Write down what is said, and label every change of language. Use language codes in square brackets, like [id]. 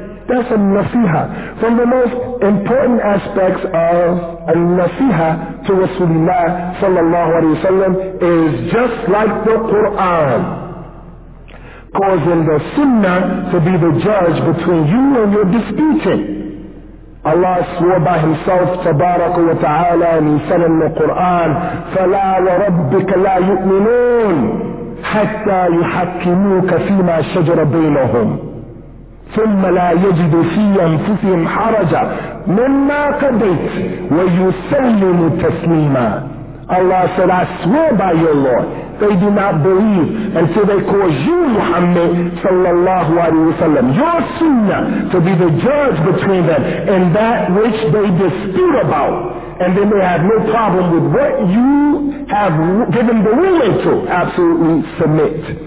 [en] That's a nasiha. From the most important aspects of a nasiha to Rasulullah sallallahu alayhi wa sallam is just like the Qur'an. Causing the sunnah to be the judge between you and your disputant. Allah swore by himself, tabaraka wa ta'ala, and he said in the Qur'an, [ar] فَلَا وَرَبِّكَ لَا يُؤْمِنُونَ حَتَّى يُحَكِّمُوكَ فِي مَا شَجَرَ بَيْنَهُمْ ثُمَّ لَا يَجِدُ فِي أَنفُسِهِمْ حَرَجًا مِمَّا قَدَيْتَ وَيُسَلِّمُ تَسْلِيمًا. [en] Allah said, I swear by your Lord, they do not believe until they cause you, Muhammad sallallahu alayhi wa sallam, your sunnah, to be the judge between them and that which they dispute about. And then they have no problem with what you have given the ruling to. Absolutely submit.